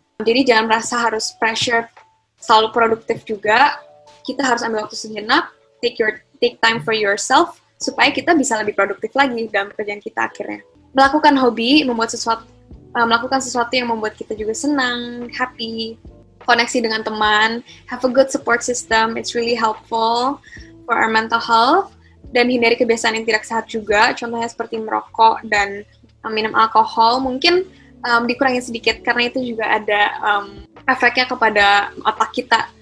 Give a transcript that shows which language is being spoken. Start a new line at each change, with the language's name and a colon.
Indonesian: Jadi jangan merasa harus pressure selalu produktif juga. Kita harus ambil waktu sejenak,
English: take time for yourself,
Indonesian: supaya kita bisa lebih produktif lagi dalam pekerjaan kita akhirnya. Melakukan hobi, melakukan sesuatu yang membuat kita juga senang, happy. Koneksi dengan teman,
English: have a good support system, it's really helpful for our mental health.
Indonesian: Dan hindari kebiasaan yang tidak sehat juga, contohnya seperti merokok dan minum alkohol, mungkin dikurangi sedikit karena itu juga ada efeknya kepada otak kita.